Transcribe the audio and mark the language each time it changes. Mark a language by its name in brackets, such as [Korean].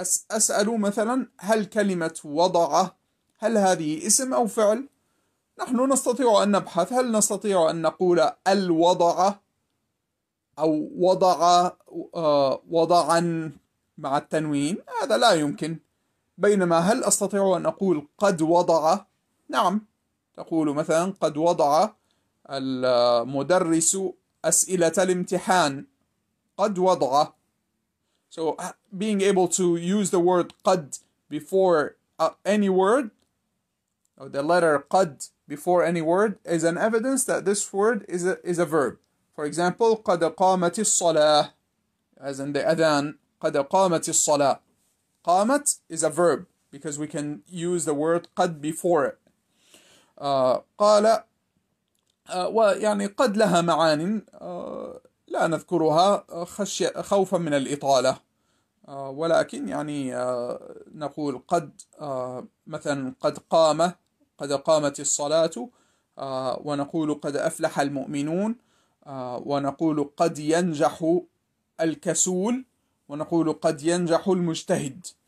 [Arabic] أسأل مثلا هل كلمة وضع هل هذه اسم أو فعل؟ نحن نستطيع أن نبحث، هل نستطيع أن نقول الوضع أو وضع وضعا مع التنوين؟ هذا لا يمكن. بينما هل أستطيع أن أقول قد وضع؟ نعم، تقول مثلا قد وضع المدرس أسئلة الامتحان، قد وضع. [English] So being able to use the word قد before any word or the letter قد before any word is an evidence that this word is a verb. For example, [Arabic] قد قامت الصلاة, [English] as in the adhan, قد قامت الصلاة. قامت is a verb because we can use the word قد before it. [Arabic] قال ويعني قد لها معان لا نذكرها خوفا من الإطالة، ولكن يعني نقول قد مثلا قد قام، قد قامت الصلاة، ونقول قد أفلح المؤمنون، ونقول قد ينجح الكسول، ونقول قد ينجح المجتهد.